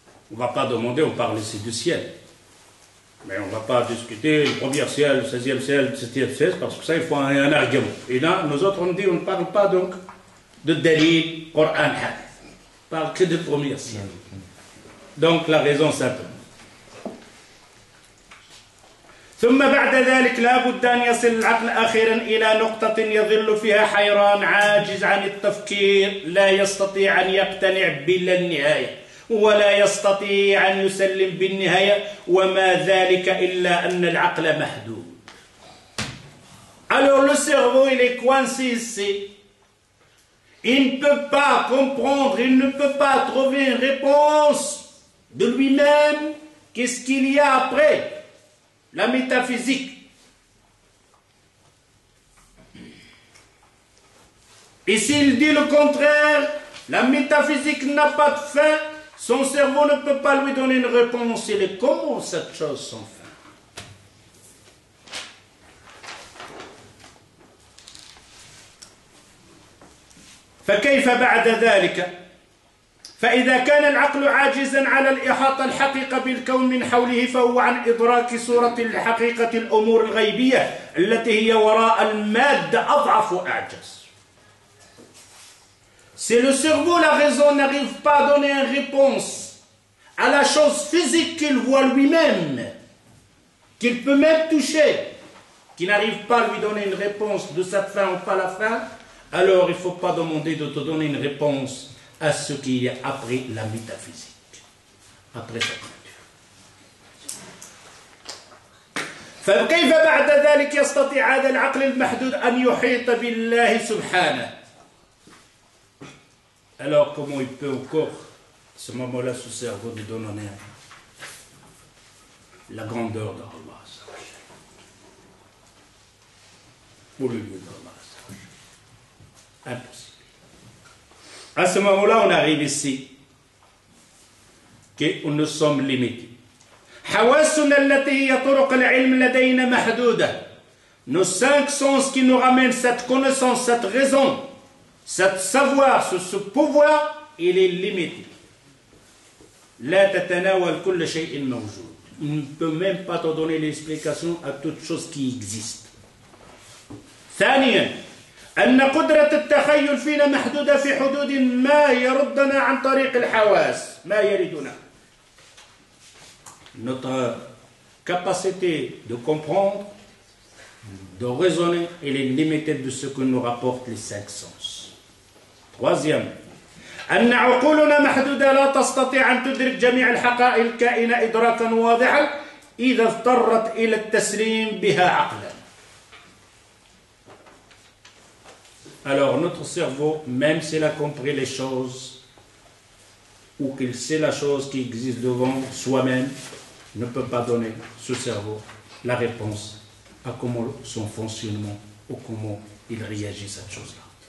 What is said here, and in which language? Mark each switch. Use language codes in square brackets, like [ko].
[fr] On ne va pas demander, on parle ici du ciel. Mais on ne va pas discuter le premier ciel, le 16e ciel, le 7e ciel, parce que ça, il faut un argument. Et là, nous autres, on dit, on ne parle pas donc de délit, Coran, on parle que du premier ciel. Donc, la raison simple. [ar] ثم بعد ذلك لا بد أن يصل العقل أخيرا إلى نقطة يظل فيها حيران عاجز عن التفكير لا يستطيع أن يقتنع بلا النهاية ولا يستطيع أن يسلم بالنهاية وما ذلك إلا أن العقل محدود. [fr] Alors le cerveau il est coincé ici. Il ne peut pas comprendre, il ne peut pas trouver une réponse de lui-même. Qu'est-ce qu'il y a après? La métaphysique. Et s'il dit le contraire, la métaphysique n'a pas de fin, son cerveau ne peut pas lui donner une réponse. Il est comment cette chose sans fin? [ar] فكيف بعد ذلك؟ فإذا كان العقل عاجزا على الإحاطة الحقيقة بالكون من حوله فهو عن إدراك صورة الحقيقة الأمور الغيبية التي هي وراء المادة أضعف وأعجز. [fr] Si le cerveau, la raison n'arrive pas à donner une réponse à la chose physique qu'il voit lui-même, qu'il peut même toucher, qui n'arrive pas à lui donner une réponse de cette fin ou pas la fin, alors il ne faut pas demander de te donner une réponse à ce qui est après la métaphysique, après sa nature. [ar] فكيف بعد ذلك يستطيع هذا العقل المحدود أن يحيط بالله سبحانه؟ [fr] Alors comment il peut encore, ce moment-là, ce cerveau de donner la grandeur d'Allah pour le lieu d'Allah? Impossible. À ce moment-là, on arrive ici, que nous sommes limités. [ar] حواسنا التي هي طرق العلم لدينا محدودة. [fr] Nos cinq sens qui nous ramènent cette connaissance, cette raison, cet savoir, ce pouvoir, il est limité. [ar] لا تتناول كل شيء موجود. [fr] Il ne peut même pas te donner l'explication à toute chose qui existe. [ar] ثانيا أن قدرة التخيل فينا محدودة في حدود ما يردنا عن طريق الحواس ما يريدنا. [fr] Notre capacité de comprendre, de raisonner, elle est limitée de ce que nous rapportent les cinq sens. Troisième. [ar] أن عقولنا محدودة لا تستطيع أن تدرك جميع الحقائق الكائنة إدراكا واضحا إذا اضطرت إلى التسليم بها عقلا. [fr] Alors, notre cerveau, même s'il a compris les choses, ou qu'il sait la chose qui existe devant soi-même, ne peut pas donner, ce cerveau, la réponse à comment son fonctionnement, ou comment il réagit à cette chose-là.